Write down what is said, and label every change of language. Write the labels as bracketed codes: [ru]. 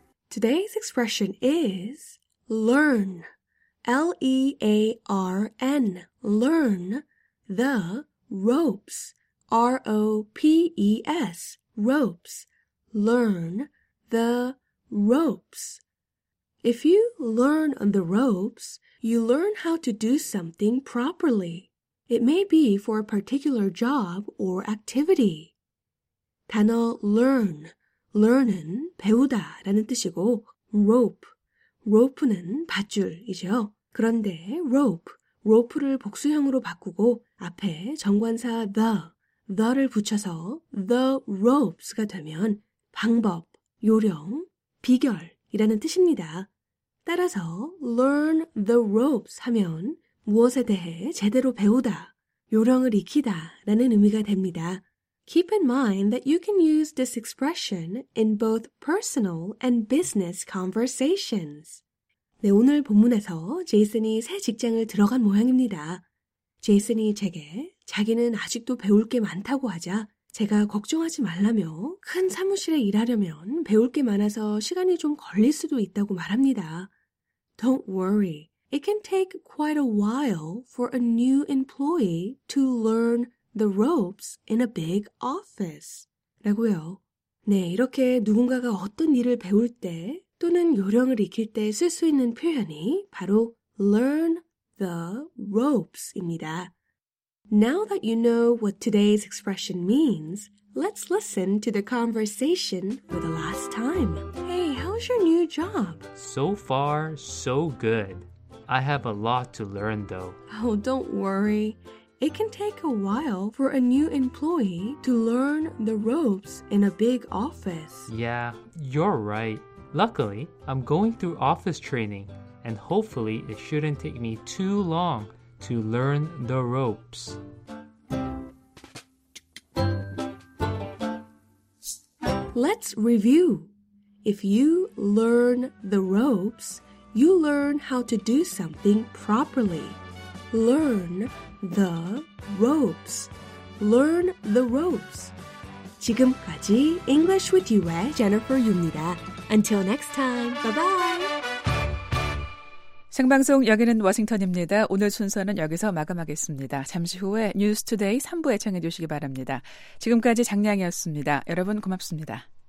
[en] 'Today's expression is learn, L-E-A-R-N, learn the ropes, R-O-P-E-S, ropes, learn the ropes. If you learn the ropes, you learn how to do something properly. It may be for a particular job or activity. [ko] 단어 learn. learn은 배우다 라는 뜻이고 rope, rope는 밧줄이죠. 그런데 rope, rope를 복수형으로 바꾸고 앞에 정관사 the를 붙여서 the ropes가 되면 방법, 요령, 비결이라는 뜻입니다. 따라서 [en] learn the ropes [ko] 하면 무엇에 대해 제대로 배우다, 요령을 익히다 라는 의미가 됩니다. [en] Keep in mind that you can use this expression in both personal and business conversations. [ko] 네, 오늘 본문에서 제이슨이 새 직장을 들어간 모양입니다. 제이슨이 제게 자기는 아직도 배울 게 많다고 하자 제가 걱정하지 말라며 큰 사무실에 일하려면 배울 게 많아서 시간이 좀 걸릴 수도 있다고 말합니다. [en] Don't worry. It can take quite a while for a new employee to learn the ropes in a big office. [ko] 라고요. 네, 이렇게 누군가가 어떤 일을 배울 때 또는 요령을 익힐 때 쓸 수 있는 표현이 바로 [en] learn the ropes [ko] 입니다. [en] Now that you know what today's expression means, let's listen to the conversation for the last time. Hey, how's your new job? So far, so good. I have a lot to learn, though. Oh, don't worry. It can take a while for a new employee to learn the ropes in a big office. Yeah, you're right. Luckily, I'm going through office training, and hopefully it shouldn't take me too long to learn the ropes. 'Let's review. If you learn the ropes, you learn how to do something properly. Learn the ropes. Learn the ropes. [ko] 지금까지 English with You의 Jennifer Yu입니다. [en] Until next time, bye-bye. [ko] 생방송 여기는 워싱턴입니다. 오늘 순서는 여기서 마감하겠습니다. 잠시 후에 뉴스 투데이 3부에 청해 주시기 바랍니다. 지금까지 장량이었습니다. 여러분 고맙습니다.